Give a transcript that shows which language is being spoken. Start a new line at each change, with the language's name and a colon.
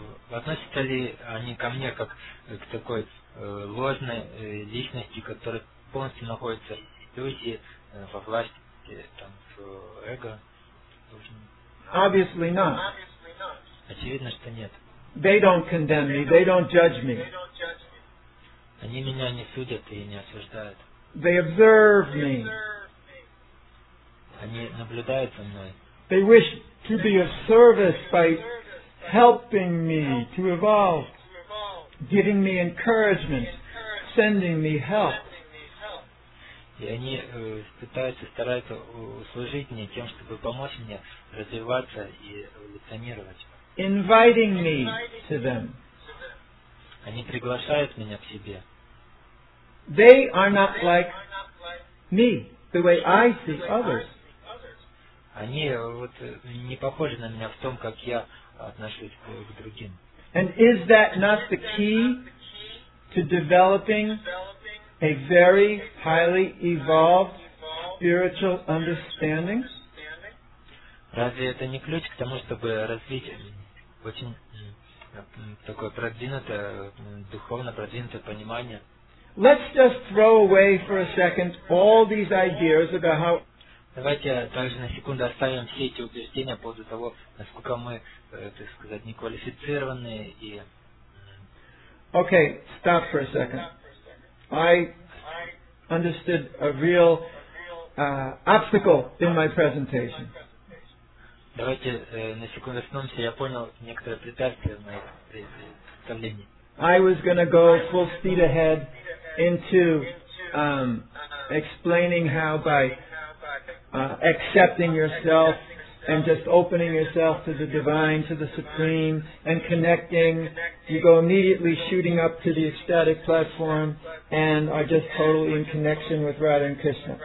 Russian: Относятся ли они ко мне как к такой ложной личности, которая полностью находится в иллюзии, во власти там, эго?
English: Obviously not.
Russian: Очевидно, что нет.
English: They don't condemn me, they don't judge me.
Russian: Они меня не судят и не осуждают.
English: They observe me.
Russian: Они наблюдают за мной.
English: They wish to be of service by helping me to evolve, giving me encouragement, sending me help.
Russian: И они стараются служить мне тем, чтобы помочь мне развиваться и эволюционировать.
English: Inviting me to them.
Russian: Они приглашают меня к себе.
English: They are not like me, the way I see others.
Russian: Они вот не похожи на меня в том, как я отношусь к другим.
English: And is that not the key to developing a very highly evolved spiritual understanding?
Russian: Разве это не ключ к тому, чтобы развить очень такое продвинутое, духовно продвинутое понимание?
English: Let's just throw away for a second all these ideas about how.
Russian: Давайте также на секунду оставим все эти убеждения по поводу того, насколько мы, так сказать, неквалифицированные и.
English: Okay, stop for a second. I understood a real obstacle in my presentation.
Russian: Давайте на секунду остановимся. Я понял некоторые препятствия в моих представлениях.
English: I was going to go full speed ahead into explaining how by accepting yourself and just opening yourself to the divine, to the supreme, and connecting, you go immediately shooting up to the ecstatic platform and are just totally in connection with Radha and Krishna.